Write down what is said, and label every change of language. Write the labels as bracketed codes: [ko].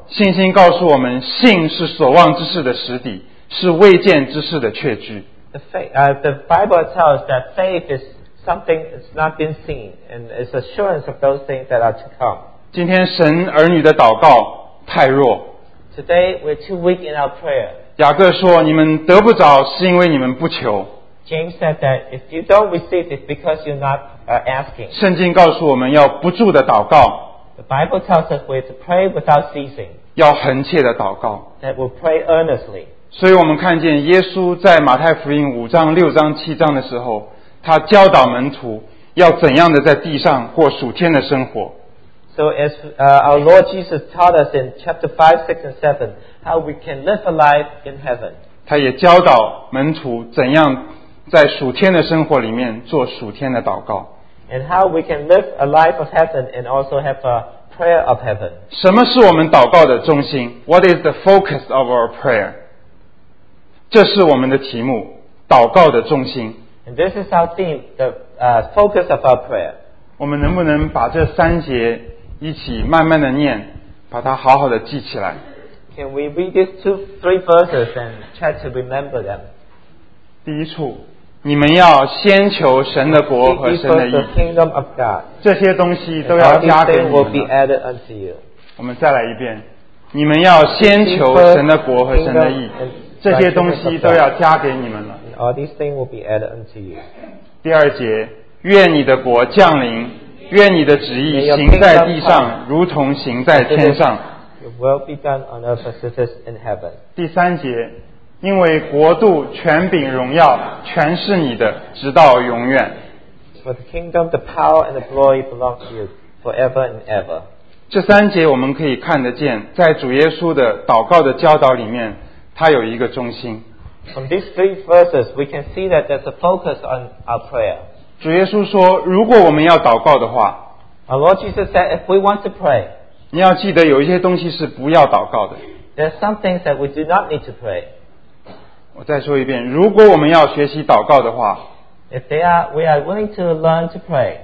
[zh] 信心告诉我们，信是所望之事的实底。是未见之事的确据。 [en] The Bible tells that faith is something that's not been seen, and it's assurance of those things that are to come. [zh] 今天神儿女的祷告太弱。 [en] Today we're too weak in our prayer. [zh] 雅各说你们得不着是因为你们不求。 [en] James said that if you don't receive, it's because you're not asking. [zh] 圣经告诉我们要不住的祷告。 [en] The Bible tells us we're to pray without ceasing. [zh] 要恒切的祷告。 [en] That we'll pray earnestly. [zh] 所以我们看见耶稣在马太福音五章六章七章的时候他教导门徒要怎样的在地上过属天的生活 [en] So as our Lord Jesus taught us in chapter 5, 6 and 7 how we can live a life in heaven [zh] 他也教导门徒怎样在属天的生活里面做属天的祷告 [en] And how we can live a life of heaven and also have a prayer of heaven [zh] 什么是我们祷告的中心 [en] What is the focus of our prayer? [zh] 这是我们的题目，祷告的中心。 [en] And this is our theme, the focus of our prayer. [zh] 我们能不能把这三节一起慢慢的念，把它好好的记起来 [en] ？Can we read these three verses and try to remember them? [zh] 第一处，你们要先求神的国和神的义。 [en] The kingdom of God. [zh] 这些东西都要加给你们。 [en] Will be added unto you. [zh] 我们再来一遍，你们要先求神的国和神的义。这些东西都要加给你们了。 [en] All these things will be added unto you. [zh] 第二节，愿你的国降临，愿你的旨意行在地上，如同行在天上。 [en] Your will be done on earth as it is in heaven. [zh] 第三节，因为国度、权柄、荣耀，全是你的，直到永远。 [en] For the kingdom, the power and the glory belong to you forever and ever. [zh] 这三节我们可以看得见，在主耶稣的祷告的教导里面。他有一个中心。 [en] From these three verses, we can see that there's a focus on our prayer. [zh] 主耶稣说，如果我们要祷告的话 [en] ，Our Lord Jesus said, if we want to pray, [zh] 你要记得有一些东西是不要祷告的。 [en] There's some things that we do not need to pray. [zh] 我再说一遍，如果我们要学习祷告的话 [en] ，If they are, we are willing to learn to pray.